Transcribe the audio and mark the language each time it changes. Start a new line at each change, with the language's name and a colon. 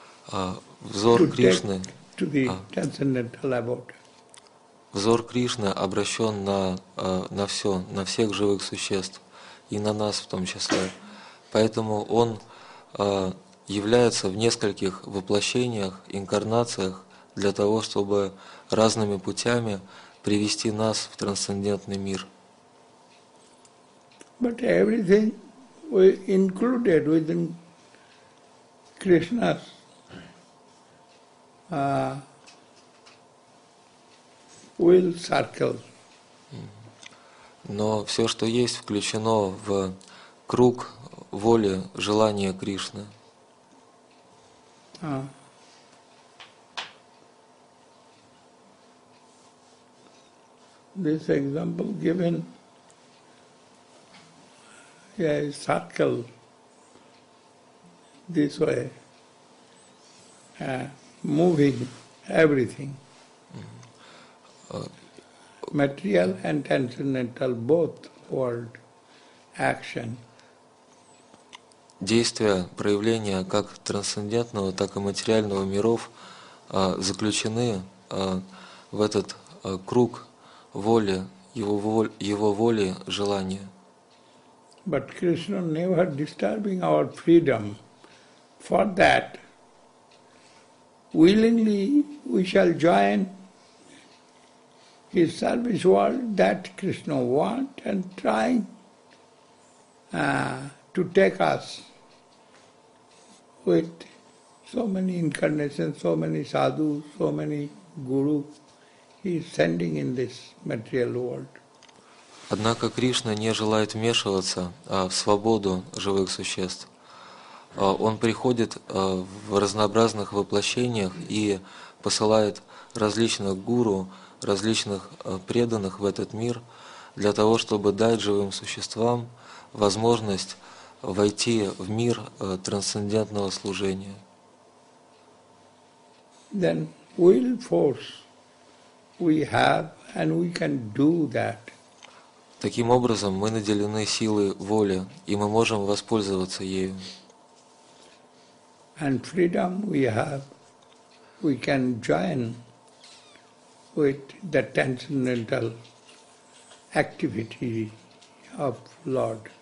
Russian: Взор Кришны
English: to the transcendental abode.
Russian: Взор Кришны обращен на все, на всех живых существ, и на нас в том числе. Поэтому он является в нескольких воплощениях, инкарнациях для того, чтобы разными путями привести нас в трансцендентный мир.
English: But everything was included within Krishna's will circle.
Russian: Но все, что есть, включено в круг воли, желания Кришны.
English: This example given, yeah, is circle this way, moving everything, material and transcendental, both world action.
Russian: Действия, проявления как трансцендентного, так и материального миров заключены в этот круг воли, его воли, желания.
English: But Krishna never disturbing our freedom. For that, willingly we shall join his service world that Krishna want and trying to take us with so many incarnations, so many sadhus, so many guru he is sending in this material world.
Russian: Однако Кришна не желает вмешиваться в свободу живых существ. Он приходит в разнообразных воплощениях и посылает различных гуру, различных преданных в этот мир для того, чтобы дать живым существам возможность войти в мир трансцендентного служения.
English: Then will force we have and we can do that.
Russian: Таким образом, мы наделены силой воли, и мы можем воспользоваться ею.
English: And freedom we have, we can join with the transcendental activity of Lord.